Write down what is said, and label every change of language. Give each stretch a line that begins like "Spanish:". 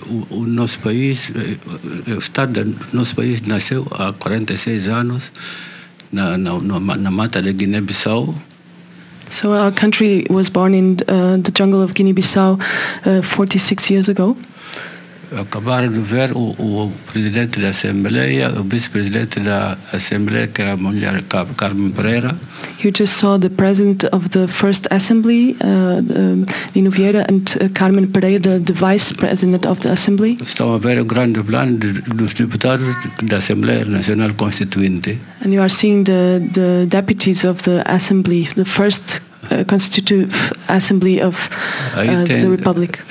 Portuguese: O nosso país, o estado do nosso país nasceu há 46 anos na mata de Guiné-Bissau.
English: So our country was born in the jungle of Guinea-Bissau 46 years ago.
Portuguese: Acabaram de ver o presidente da Assembleia, o vice-presidente da Assembleia, que é a mulher Carmen Pereira.
English: You just saw the president of the first assembly, Nino Vieira, and Carmen Pereira, the vice-president of the assembly.
Portuguese: Estão a ver o grande plano dos deputados da Assembleia Nacional Constituinte.
English: And you are seeing the deputies of the assembly, the first constitutive assembly of the Republic.